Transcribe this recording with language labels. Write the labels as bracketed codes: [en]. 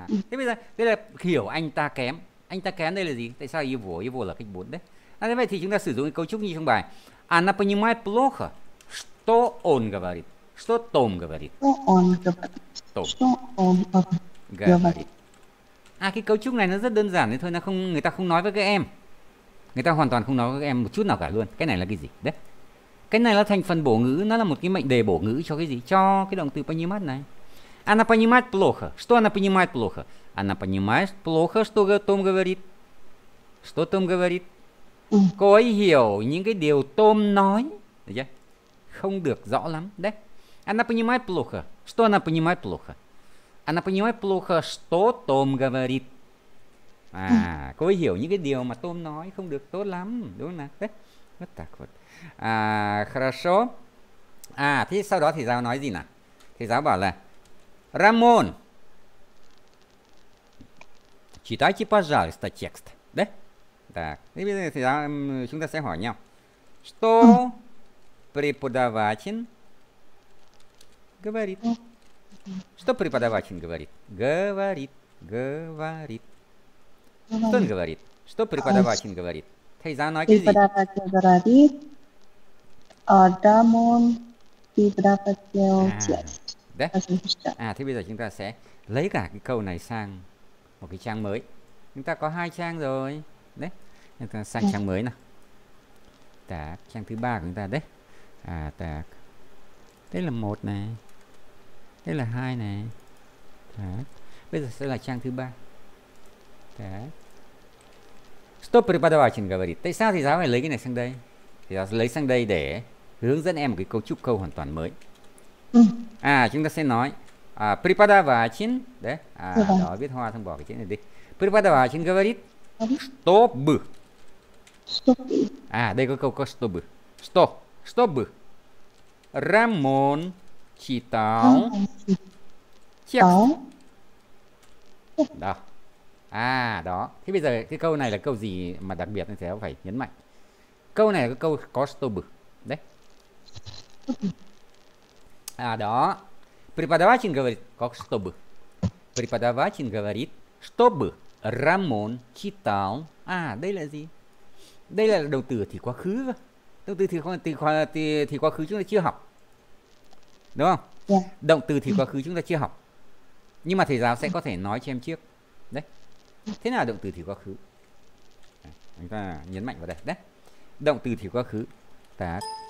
[vi] Thế bây giờ, đây là hiểu anh ta kém. Anh ta kém đây là gì? Tại sao его? Его là cách 4 đấy. Thế vậy thì chúng ta sử dụng cấu trúc như trong bài. [ru] Она понимает плохо, что он говорит. Что Том говорит? Что он говорит? Том. Что он говорит? [vi] Cái cấu trúc này nó rất đơn giản đấy thôi, nó không, người ta không nói với các em. Người ta hoàn toàn không nói với các em một chút nào cả luôn. Cái này là cái gì? Đấy. Cái này là thành phần bổ ngữ, nó là một cái mệnh đề bổ ngữ cho cái gì? Cho cái động từ понимает này. [ru] Она понимает плохо. Что она понимает плохо? Она понимает плохо, что Том говорит. Что Том говорит? [vi] Cô ấy hiểu những cái điều Том nói. Được chưa? Không được rõ lắm. Đấy. [ru] Она понимает плохо. Что она понимает плохо? Она понимает плохо, что Том говорит. [vi] Cô ấy hiểu những cái điều mà Том nói không được tốt lắm. Đúng không nào? [ru] Вот так вот. Хорошо. [vi] Thế sau đó thì giáo nói gì nào? Thì giáo bảo là [ru] Рамон, читайте, пожалуйста, текст. [vi] Đấy. Так. Thế bây giờ thì giáo, chúng ta sẽ hỏi nhau. [ru] Что преподаватель говорит. Что преподаватель говорит? Говорит. Что он говорит? Что преподаватель говорит? [vi] Thầy giáo nói cái gì? [ru] Преподаватель говорит. Рамон, преподаватель. [vi] Да. Thế bây giờ chúng ta sẽ lấy cả cái câu này sang một cái trang mới. Chúng ta có hai trang rồi. Đấy. Chúng ta sang trang mới nào. Так, trang thứ ba của chúng ta đấy. Так. Đây là một này. Đây là hai này. Bây giờ sẽ là trang thứ ba. [ru] Что преподаватель говорит? [vi] Tại sao thì giáo phải lấy cái này sang đây? Thì giáo sẽ lấy sang đây để hướng dẫn em một cái cấu trúc câu hoàn toàn mới. Chúng ta sẽ nói преподаватель, đấy. Đó, viết hoa xong bỏ cái chữ này đi. [ru] Преподаватель говорит, что бы. [vi] Đây có câu có что бы. [ru] Что? Что бы? Рамон читал текст. [vi] Đó. Đó. Thế bây giờ cái câu này là câu gì mà đặc biệt thì sẽ phải nhấn mạnh. Câu này là câu có stop. Đấy. [ru] А, да. Преподаватель говорит, как чтобы. Преподаватель говорит, чтобы Рамон читал. [vi] А, đây là gì? Đây là động từ thì quá khứ. Động từ thì quá khứ chúng ta chưa học. Đúng không? [en] Yeah. [vi] Động từ thì quá khứ chúng ta chưa học. Nhưng mà thầy giáo sẽ có thể nói cho em trước. Đấy. Thế nào động từ thì quá khứ? Chúng ta nhấn mạnh vào đây. Đấy. Động từ thì quá khứ. Ta.